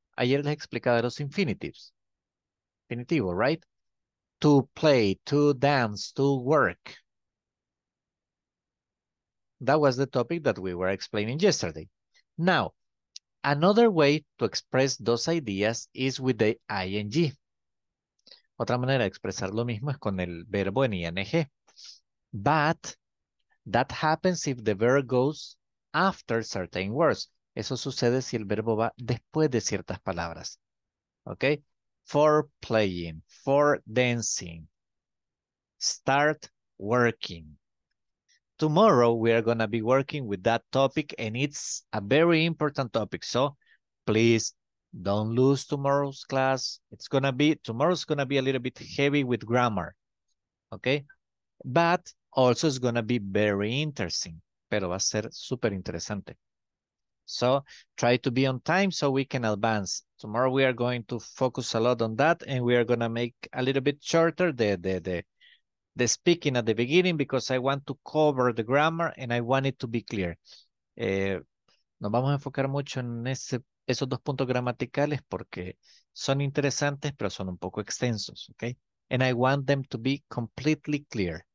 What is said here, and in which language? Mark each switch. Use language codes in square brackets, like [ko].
[es] Ayer les explicaba los infinitives. Infinitivo, right? [en] To play, to dance, to work. That was the topic that we were explaining yesterday. Now, another way to express those ideas is with the ing. [es] Otra manera de expresar lo mismo es con el verbo en ing. [en] But that happens if the verb goes after certain words. [es] Eso sucede si el verbo va después de ciertas palabras. [en] Okay? For playing, for dancing, start working. Tomorrow we are going to be working with that topic, and it's a very important topic. So please don't lose tomorrow's class. Tomorrow's going to be a little bit heavy with grammar, okay? But also it's going to be very interesting, [es] pero va a ser super interesante. [en] So try to be on time so we can advance. Tomorrow we are going to focus a lot on that, and we are going to make a little bit shorter the speaking at the beginning, because I want to cover the grammar and I want it to be clear. [es] Nos vamos a enfocar mucho en esos dos puntos gramaticales porque son interesantes, pero son un poco extensos, okay? [en] And I want them to be completely clear.